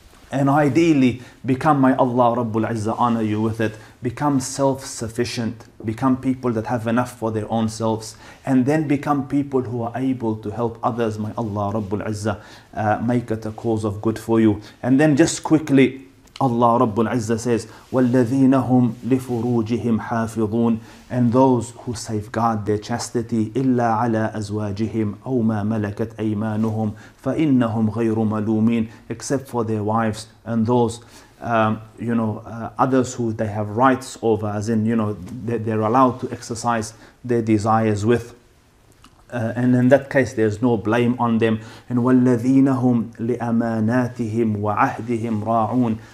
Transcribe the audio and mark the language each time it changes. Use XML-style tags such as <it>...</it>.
<en>And ideally, become, may Allah Rabbul Izzah honor you with it, become self-sufficient, become people that have enough for their own selves, and then become people who are able to help others. May Allah Rabbul Izzah make it a cause of good for you. And then just quickly, Allah Rabbul Izzah says,</en> <ar>وَالَّذِينَ هُمْ لِفُرُوجِهِمْ حَافِظُونَ.</ar> <en>And those who safeguard their chastity,</en> <ar>إِلَّا عَلَىٰ أَزْوَاجِهِمْ أَوْ مَا مَلَكَتْ أَيْمَانُهُمْ فَإِنَّهُمْ غَيْرُ مَلُومِينَ.</ar> <en>Except for their wives and those, you know, others who they have rights over, as in, you know, they're allowed to exercise their desires with. And in that case, there's no blame on them. And</en> <ar>وَالَّذِينَ هُمْ لِأَمَانَاتِهِمْ وَعَهْدِهِمْ رَاعُونَ.</ar>